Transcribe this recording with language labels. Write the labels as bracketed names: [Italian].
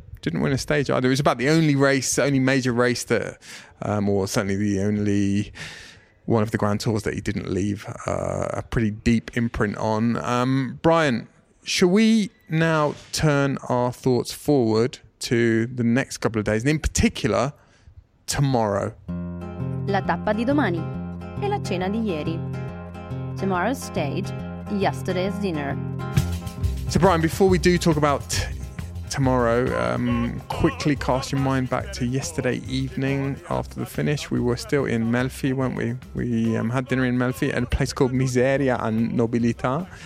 [English] Didn't win a stage either. It was about the only major race that, or certainly the only one of the Grand Tours that he didn't leave a pretty deep imprint on. Brian, shall we now turn our thoughts forward to the next couple of days, and in particular, tomorrow? [Italian] La tappa di domani e la cena di ieri. [English] Tomorrow's stage, yesterday's dinner. So Brian, before we do talk about tomorrow, quickly cast your mind back to yesterday evening after the finish. We were still in Melfi, weren't we? We had dinner in Melfi at a place called Miseria and Nobilità.